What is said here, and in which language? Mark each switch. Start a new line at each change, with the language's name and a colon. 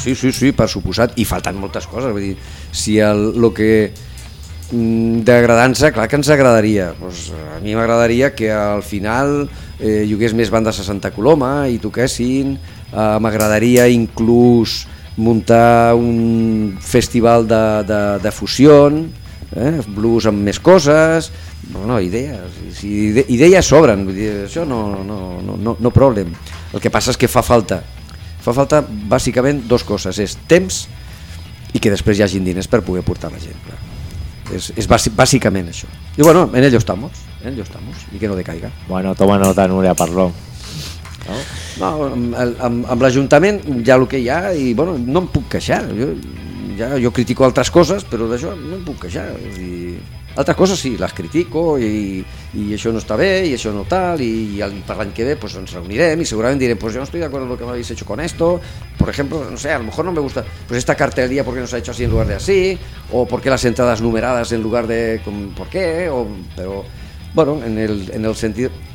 Catalan: Sí, per suposat, i falten moltes coses, vull dir, si el que d'agradança, clar que ens agradaria, pues a mi m'agradaria que al final hi hagués més bandes a Santa Coloma i toquessin, m'agradaria inclús muntar un festival de fusió, blues amb més coses, bueno, idees, si idees sobren, vull dir, això
English: no problem.
Catalan: El que passa és que fa falta bàsicament dos coses, és temps i que després hi hagin diners per poder portar la gent, clar. És bàsicament això.
Spanish: I bueno, en ello estamos, i que no decaiga.
Catalan: Bueno,
Spanish: toma nota,
Catalan: Núria, parlo. No, amb l'Ajuntament ja el que hi ha, i bueno, no em puc queixar. Jo critico altres coses, però d'això no em puc queixar. I altres coses sí, les critico, i això no està bé, i això no tal, i per l'any que ve pues ens reunirem i segurament direm,
Spanish: pues yo no estoy de acuerdo con lo que me habéis hecho con esto, por ejemplo, no sé, a lo mejor no me gusta pues esta cartelería, porque nos ha hecho así en lugar de así, o porque las entradas numeradas en lugar de, por qué, o, pero bueno, en el sentido...